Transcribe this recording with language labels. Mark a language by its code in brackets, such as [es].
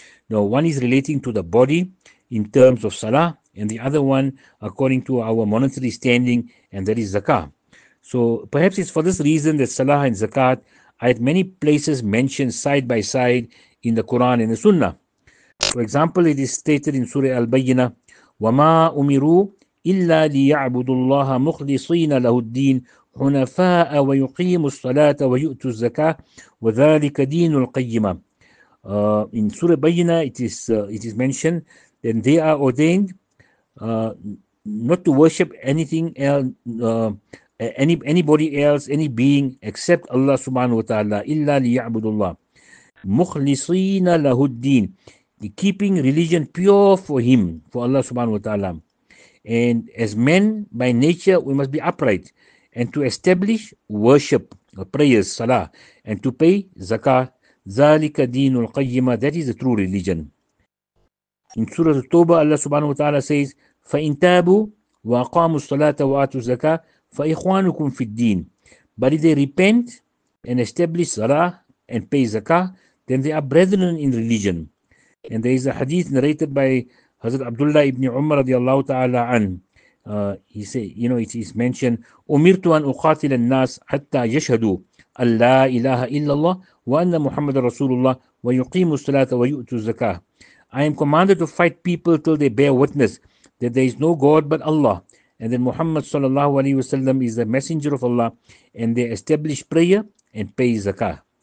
[en] Now, one is relating to the body in terms of Salah, and the other one according to our monetary standing, and that is Zakah. So perhaps it's for this reason that Salah and Zakat are at many places mentioned side by side in the Quran and the Sunnah. For example, it is stated in Surah Al-Bayyinah, [ar] وَمَا أُمِرُوا إِلَّا لِيَعْبُدُ اللَّهَ مُخْلِصِينَ لَهُ الدِّينَ حُنَفَاءَ وَيُقِيمُ الصَّلَاةَ وَيُؤْتُ الزَّكَاةَ وَذَلِكَ دِينُ الْقَيِّمَةِ. [en] In Surah Bayyinah, it is mentioned that they are ordained not to worship anything else, anybody else, any being except Allah subhanahu wa ta'ala. [ar] Illa liya'budullah. Mukhlisina lahuddin. [en] Keeping religion pure for him, for Allah subhanahu wa ta'ala. And as men, by nature, we must be upright. And to establish worship, prayers, salah, and to pay zakah. [ar] Zalika deenul qayyimah. [en] That is the true religion. In Surah At-Tawbah, Allah subhanahu wa ta'ala says, [ar] فَإِن تَابُوا وَأَقَامُوا الصَّلَاةَ وَآتُوا الزَّكَاةَ فَإِخْوَانُكُمْ فِي الدِّينِ. [en] But if they repent and establish salah and pay zakah, then they are brethren in religion. And there is a hadith narrated by Hazrat Abdullah ibn Umar radiallahu ta'ala an. He say, you know, it is mentioned, [ar] أُمِرْتُ أَنْ أُقَاتِلَ النَّاسَ حَتَّى يَشْهَدُوا أَنْ لَا إِلَهَ إِلَّا اللَّهِ وَأَنَّ مُحَمَّدَ رَسُولُ اللَّهِ وَيُقِيمُوا الصَّلَاةَ وَيُؤْتُوا الزَّكَاةَ. [en] I am commanded to fight people till they bear witness that there is no God but Allah, and that Muhammad sallallahu alaihi wasallam is the messenger of Allah, and they establish prayer and pay zakah.